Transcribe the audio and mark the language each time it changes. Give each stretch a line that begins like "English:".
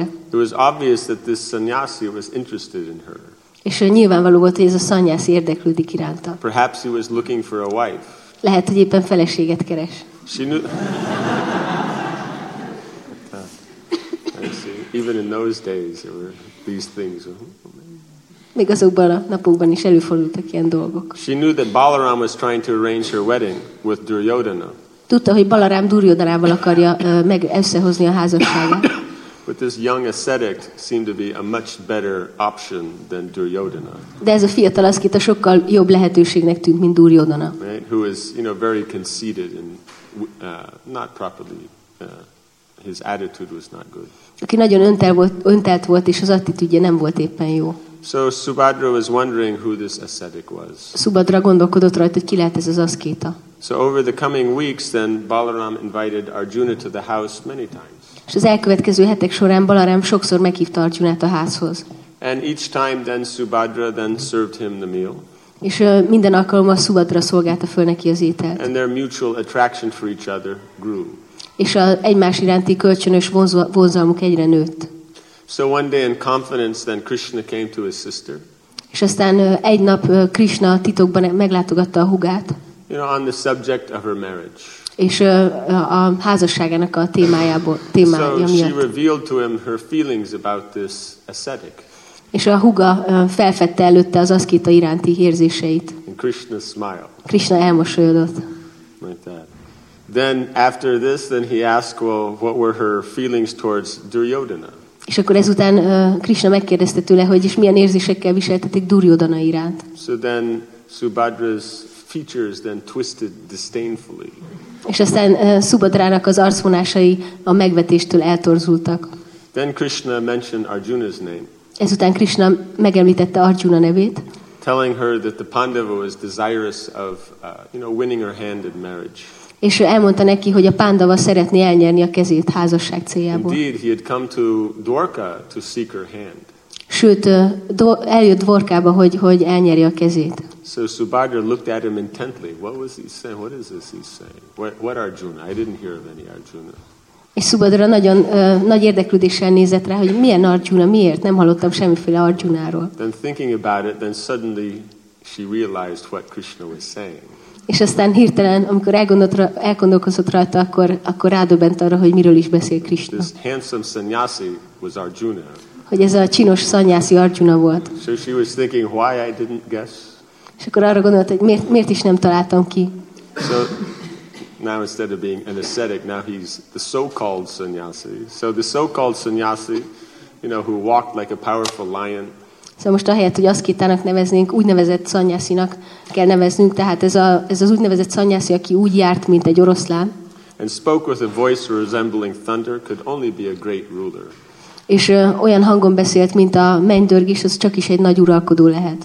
English: It was obvious that this sannyasi was interested in her.
Hungarian: És nyilvánvaló volt, hogy ez a szanyászi érdeklődik iránta.
English: Perhaps he was looking for a wife.
Hungarian: Lehet, hogy éppen feleséget keres.
English: She knew... Even in those days, there were these things.
Hungarian: Még azokban a napokban is előfordultak ilyen dolgok.
English: She knew that Balaram was trying to arrange her wedding with Duryodhana.
Hungarian: Tudta, hogy Balaram Duryodhanával akarja meg összehozni a házasságot.
English: But this young ascetic seemed to be a much better option than Duryodhana.
Hungarian: De ez a fiatal aszkita sokkal jobb lehetőségnek tűnt, mint Duryodhana.
English: Right? Who is, very conceited and not properly. His attitude was not good.
Hungarian: Aki nagyon öntelt volt, és az attitűdje nem volt éppen jó.
English: So Subhadra was wondering who this ascetic was.
Hungarian: Subhadra gondolkodott rajta, hogy ki lehet ez az aszkéta.
English: So over the coming weeks, then Balaram invited Arjuna to the house many times.
Hungarian: És az elkövetkező hetek során Balaram sokszor meghívta Arjunát a házhoz.
English: And each time, then Subhadra then served him the meal.
Hungarian: És minden alkalommal Szubhadra szolgálta föl neki az ételt.
English: And their mutual attraction for each other grew.
Hungarian: És az egymás iránti kölcsönös vonzalmuk egyre nőtt.
English: So one day in confidence then Krishna came to his sister.
Hungarian: És aztán egy nap Krishna titokban meglátogatta a húgát.
English: You know, on the subject of her marriage.
Hungarian: És a házasságának a témájából témája miatt.
English: So she revealed to him her feelings about this ascetic.
Hungarian: És a húga felfedte előtte az aszkita iránti érzéseit.
English: And Krishna smiled.
Hungarian: Krishna elmosolyodott.
English: Like that. Then after this, then he asked, well, what were her feelings towards Duryodhana?
Hungarian: És akkor ezután Krishna megkérdezte tőle, hogy is milyen érzésekkel viseltetik Duryodhana iránt.
English: So then Subhadra's features then twisted disdainfully.
Hungarian: És aztán Subhadrának az arcvonásai a megvetéstől eltorzultak.
English: Then Krishna mentioned Arjuna's name.
Hungarian: Ezután Krishna megemlítette Arjuna nevét.
English: Telling her that the Pandava was desirous of, you know, winning her hand in marriage.
Hungarian: És ő elmondta neki, hogy a Pándava szeretné elnyerni a kezét házasság céljából.
English: Indeed, he had come to Dwarka to seek her hand.
Hungarian: Sőt, eljött Dwarkába, hogy elnyeri a kezét.
English: So Subhadra looked at him intently. What was he saying? What is this he's saying? What Arjuna? I didn't hear of any Arjuna.
Hungarian: És Subhadra nagyon nagy érdeklődéssel nézett rá, hogy milyen Arjuna, miért? Nem hallottam semmiféle Arjunáról.
English: Then thinking about it, then suddenly she realized what Krishna was saying.
Hungarian: És aztán hirtelen, amikor elgondolkozott rajta, akkor rádöbbent arra, hogy miről is beszél Krishna.
English: This handsome sanyasi was Arjuna.
Hungarian: Hogy ez a csinos szanyászi Arjuna volt.
English: So she was thinking, why I didn't guess.
Hungarian: És akkor arra gondolt, hogy miért is nem találtam ki.
English: So now instead of being an ascetic, now he's the so-called sanyasi. So the so-called sanyasi, you know, who walked like a powerful lion.
Hungarian: Szóval most ahelyett, hogy aszkétának neveznénk, úgynevezett szanyászinak kell neveznünk. Tehát ez az úgynevezett szanyászi, aki úgy járt, mint egy oroszlán.
English: And spoke with a voice resembling thunder, could only be a great ruler.
Hungarian: És olyan hangon beszélt, mint a mennydörgés, az csak is egy nagy uralkodó lehet.